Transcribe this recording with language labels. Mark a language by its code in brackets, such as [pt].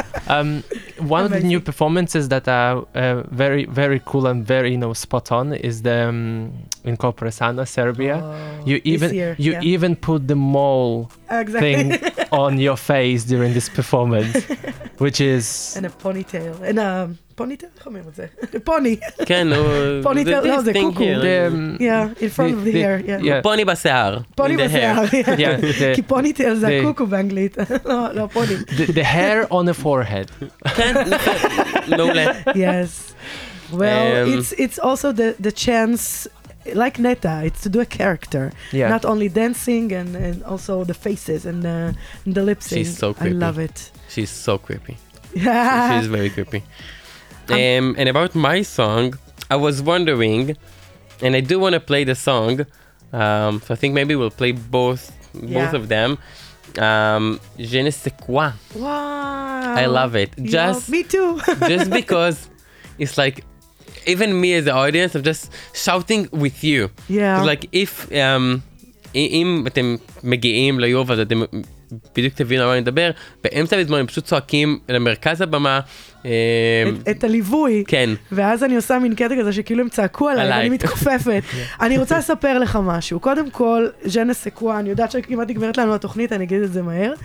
[en] One of the new performances that are very, very cool and very, you know, spot on is the in Copresana, Serbia. Oh, you even put the mole thing on your face during this performance, which is and a ponytail and a [he] ponytail, איך אומרים את זה? פוני. כן, פוניטל, לא, זה קוקו. [en] Yeah, in front of the hair. [he] פוני בשיער. פוני בשיער, כן. כי פוניטל זה הקוקו באנגלית. לא, פוני. [en] The hair on the forehead. [he] כן, מעולה. [en] Yes. Well, it's also the chance, like Netta, it's to do a character. Yeah. Not only dancing and also the faces and the lip sync. She's so creepy. I love it. She's so creepy. She's very creepy. And about my song, I was wondering, and I do want to play the song, so I think maybe we'll play both of them. [fr] Je ne sais quoi. [en] Wow. I love it. Just, yo, me too. Just because it's like, even me as the audience, I'm just shouting with you. Yeah. Like, [he] אם אתם מגיעים ליוב, אז אתם בדיוק תבינו על מה אני מדבר, באמצע בזמן הם פשוט צועקים למרכז הבמה. את הליווי. כן. ואז אני עושה מין קטע כזה שכאילו הם צעקו עליי, ואני מתכופפת. אני רוצה לספר לך משהו. קודם כל, ז'נה סקווה, אני יודעת שכמעט נגמרת לנו התוכנית, אני אגיד את זה מהר.